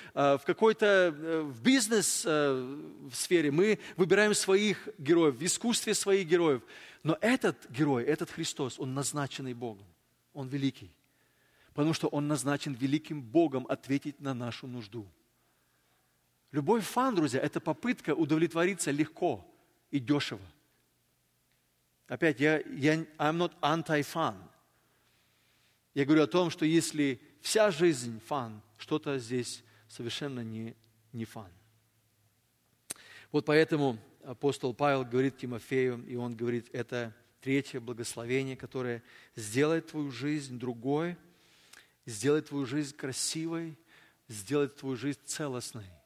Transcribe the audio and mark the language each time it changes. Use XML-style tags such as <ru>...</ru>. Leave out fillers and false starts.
<ru>В какой-то бизнес-сфере мы выбираем своих героев. В искусстве своих героев. Но этот герой, этот Христос, он назначенный Богом. Он великий. Потому что он назначен великим Богом ответить на нашу нужду. Любой фан, друзья, это попытка удовлетвориться легко и дешево.</ru> <en>Опять, I'm not anti-fun.</en> <ru>Я говорю о том, что если вся жизнь фан, что-то здесь совершенно не фан. Вот поэтому апостол Павел говорит Тимофею, и он говорит, это третье благословение, которое сделает твою жизнь другой, сделает твою жизнь красивой, сделает твою жизнь целостной.</ru>